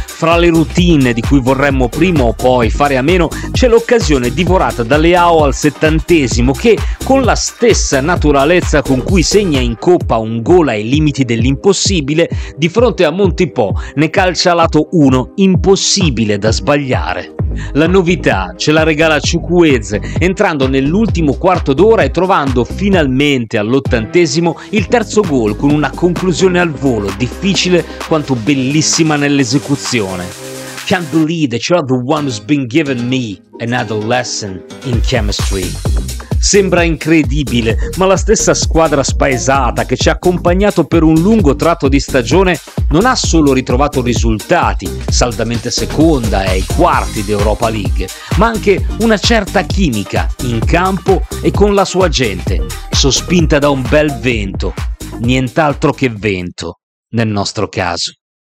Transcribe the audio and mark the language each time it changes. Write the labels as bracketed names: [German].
[Italian] fra le routine di cui vorremmo prima o poi fare a meno, c'è l'occasione divorata da Leao al 70esimo che, con la stessa naturalezza con cui segna in Coppa un gol ai limiti dell'impossibile, di fronte a Montipò ne calcia a lato uno, impossibile da sbagliare. La novità ce la regala Chukwueze, entrando nell'ultimo quarto d'ora e trovando finalmente all'80esimo il terzo gol con una conclusione al volo, difficile quanto bellissima nell'esecuzione. [English] Can't believe that you're the one who's been given me another lesson in chemistry. [Italian] Sembra incredibile, ma la stessa squadra spaesata che ci ha accompagnato per un lungo tratto di stagione non ha solo ritrovato risultati, saldamente seconda e ai quarti d'Europa League, ma anche una certa chimica in campo e con la sua gente, sospinta da un bel vento, nient'altro che vento nel nostro caso.